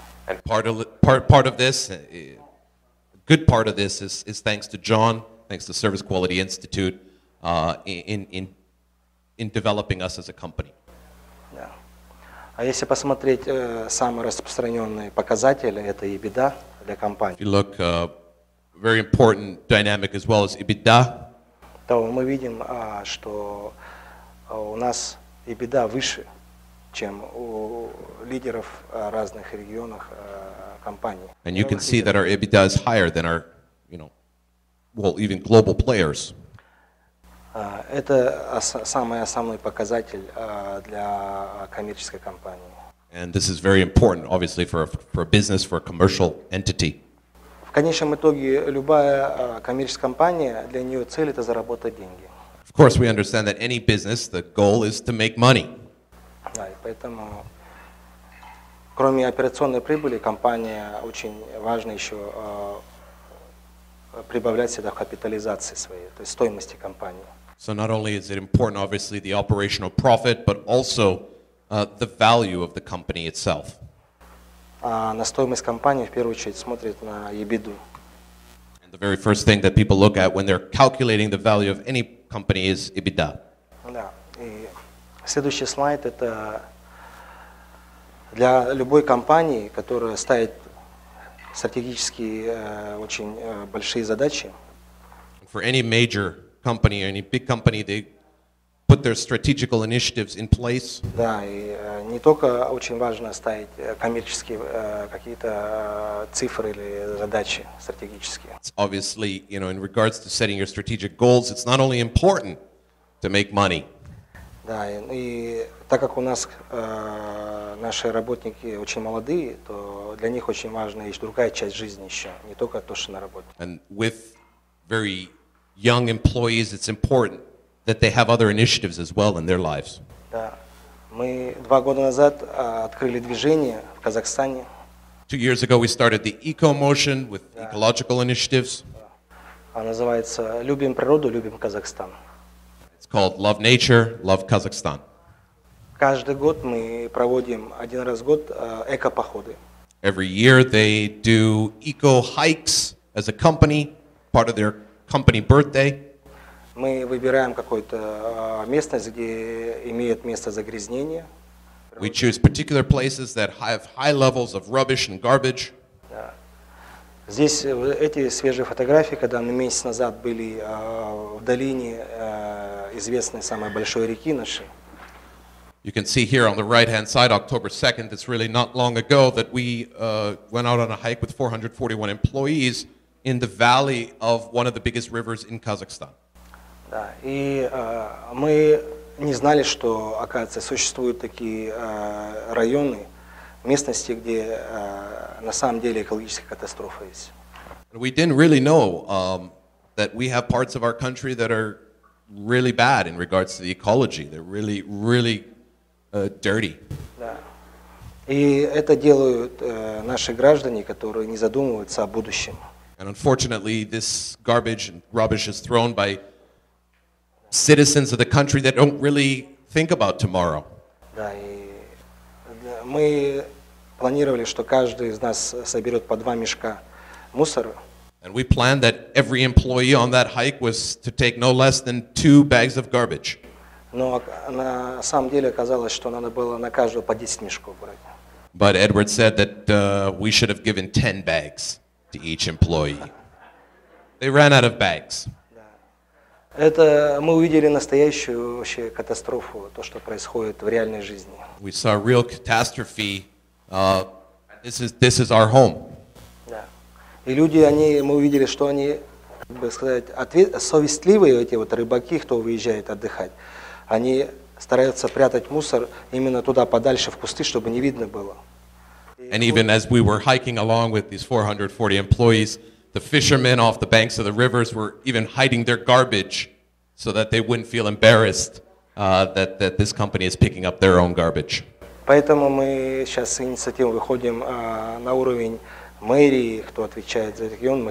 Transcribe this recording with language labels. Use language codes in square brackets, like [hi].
[en] And part of this is thanks to John, thanks to Service Quality Institute in developing us as a company. [ru] А если посмотреть самые распространенные показатели, это EBITDA для компании. [en] If you look, very important dynamic as well as EBITDA. [ru] То мы видим, что у нас EBITDA выше, чем у лидеров разных регионов компаний. [en] And you can see that our EBITDA is higher than our, you know, well, even global players. [ru] Это самый основной показатель для коммерческой компании. [en] And this is very important, obviously, for a business, for a commercial entity. [ru] В конечном итоге любая коммерческая компания для нее цель это заработать деньги. [en] Of course, we understand that any business, the goal is to make money. [ru] Да, и поэтому, кроме операционной прибыли, компания очень важно еще прибавлять всегда капитализации своей, то есть стоимости компании. [en] So not only is it important, obviously, the operational profit, but also the value of the company itself. [ru] На стоимость компании в первую очередь смотрят на EBITDA. [en] And the very first thing that people look at when they're calculating the value of any company is EBITDA. [ru] Да. И следующий слайд это для любой компании, которая ставит стратегически очень большие задачи. [en] For any major company, any big company, they put their strategical initiatives in place. [ru] Да, и не только очень важно ставить коммерческие какие-то цифры или задачи стратегические. [en] It's obviously, you know, in regards to setting your strategic goals, it's not only important to make money. [ru] Да, и так как у нас наши работники очень молодые, то для них очень важна и другая часть жизни еще, не только то, что на работе. [en] And with very young employees, it's important that they have other initiatives as well in their lives. [ru] Да. Мы 2 года назад открыли движение в Казахстане. [en] 2 years ago we started the Eco Motion with ecological initiatives. [ru] Да. А называется Любим природу, любим Казахстан. [en] It's called Love Nature, Love Kazakhstan. [ru] Каждый год мы проводим один раз в год экопоходы. [en] Every year they do eco hikes as a company, part of their company birthday. [ru] Мы выбираем какую-то местность, где имеет место загрязнение. [en] We choose particular places that have high levels of rubbish and garbage. [ru] Здесь эти свежие фотографии, когда мы месяц назад были в долине известной самой большой реки нашей. [en] You can see here on the right-hand side, October 2nd, it's really not long ago that we went out on a hike with 441 employees in the valley of one of the biggest rivers in Kazakhstan. [ru] Да, и мы не знали, что, оказывается, существуют такие районы, местности, где на самом деле экологическая катастрофа есть. [en] We didn't really know that we have parts of our country that are really bad in regards to the ecology. They're really, really dirty. [ru] Да. И это делают наши граждане, которые не задумываются о будущем. [en] And unfortunately, this garbage and rubbish is thrown by citizens of the country that don't really think about tomorrow. [ru] Да, и мы планировали, что каждый из нас соберет по 2 мешка мусора. [en] And we planned that every employee on that hike was to take no less than 2 bags of garbage. [ru] Но на самом деле оказалось, что надо было на каждого по 10 мешков брать. [en] But Edward said that we should have given 10 bags to each employee. They ran out of bags. [ru] Это мы увидели настоящую вообще катастрофу, то, что происходит в реальной жизни. [en] We saw a real catastrophe. This is our home. [ru] Да. И люди, они, мы увидели, что они, как бы сказать, совестливые эти вот рыбаки, кто выезжает отдыхать. Они стараются прятать мусор именно туда, подальше, в кусты, чтобы не видно было. [en] And even as we were hiking along with these 440 employees, the fishermen off the banks of the rivers were even hiding their garbage so that they wouldn't feel embarrassed that this company is picking up their own garbage. [ru] Поэтому мы сейчас с инициативой выходим на уровень мэрии, кто отвечает за регион.